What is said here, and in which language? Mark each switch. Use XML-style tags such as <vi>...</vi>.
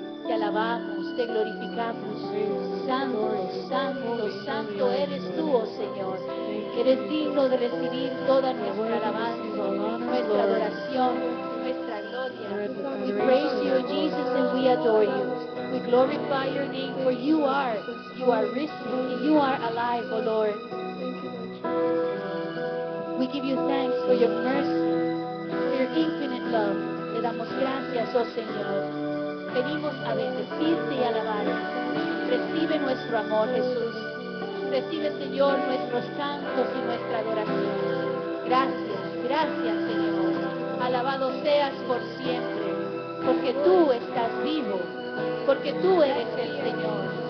<es>Te alabamos, te glorificamos. Santo, santo, santo eres tú, oh Señor. Eres digno de recibir toda nuestra alabanza, nuestra adoración, nuestra gloria.</es> <en>We praise you, Jesus, and we adore you. We glorify your name, for you are risen, and you are alive, oh Lord. We give you thanks for your mercy, for your infinite love.</en> <es>Te damos gracias, oh Señor. Venimos a bendecirte y alabarte. Recibe nuestro amor, Jesús. Recibe, Señor, nuestros cantos y nuestra adoración. Gracias, gracias, Señor. Alabado seas por siempre, porque tú estás vivo, porque tú eres el Señor.</es>